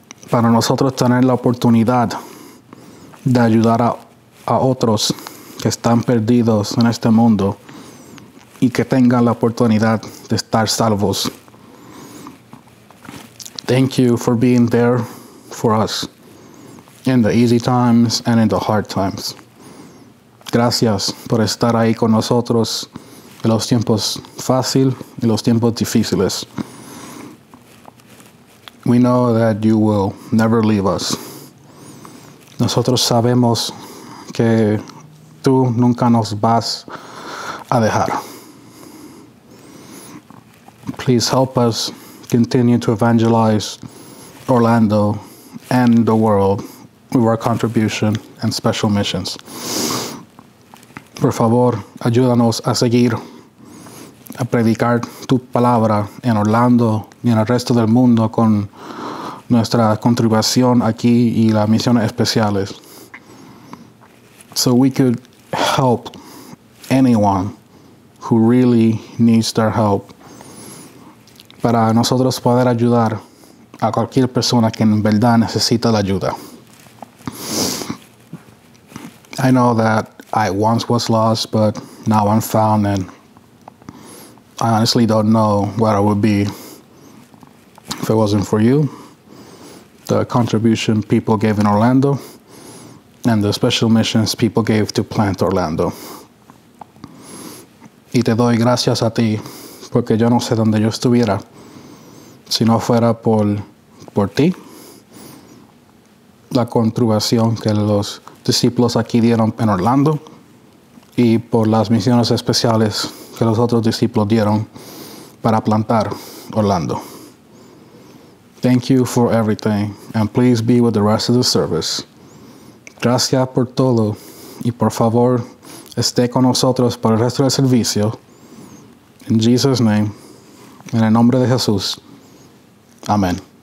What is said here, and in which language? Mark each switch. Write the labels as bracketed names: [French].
[Spanish] Para nosotros tener la oportunidad de ayudar a otros que están perdidos en este mundo y que tengan la oportunidad de estar salvos. [English] Thank you for being there for us in the easy times and in the hard times. [Spanish] Gracias por estar ahí con nosotros en los tiempos fácil y los tiempos difíciles. [English] We know that you will never leave us. [Spanish] Nosotros sabemos que tú nunca nos vas a dejar. [English] Please help us continue to evangelize Orlando and the world with our contribution and special missions. [Spanish] Por favor, ayúdanos a seguir a predicar tu palabra en Orlando y en el resto del mundo con nuestra contribución aquí y las misiones especiales. [English] So we could help anyone who really needs their help. [Spanish] Para nosotros poder ayudar a cualquier persona que en verdad necesita la ayuda. [English] I know that I once was lost, but now I'm found, and I honestly don't know where I would be if it wasn't for you, the contribution people gave in Orlando, and the special missions people gave to plant Orlando. [Spanish] Y te doy gracias a ti, porque yo no sé dónde yo estuviera si no fuera por ti, la contribución que los discípulos aquí dieron en Orlando y por las misiones especiales que los otros discípulos dieron para plantar Orlando. [English] Thank you for everything, and please be with the rest of the service. [Spanish] Gracias por todo, y por favor, esté con nosotros por el resto del servicio. [English] In Jesus' name, [Spanish] en el nombre de Jesús. Amen.